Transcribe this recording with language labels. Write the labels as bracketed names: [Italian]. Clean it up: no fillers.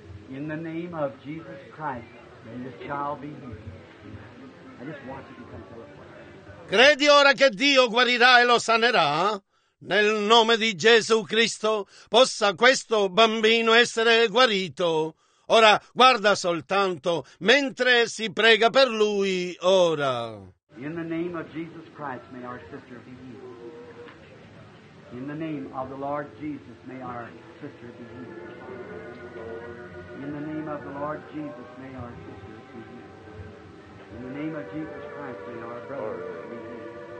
[English] In the name of Jesus Christ, may this child be healed. I just want you to come to [Italian] the Credi ora che Dio guarirà e lo sanerà? Nel nome di Gesù Cristo, possa questo bambino essere guarito. Ora, guarda soltanto, mentre si prega per lui, ora. [English] In the name of Jesus Christ, may our sister be healed. In the name of the Lord Jesus, may our sister be healed. In the name of the Lord Jesus, may our sister be healed. In the name of Jesus Christ, may our brother be healed.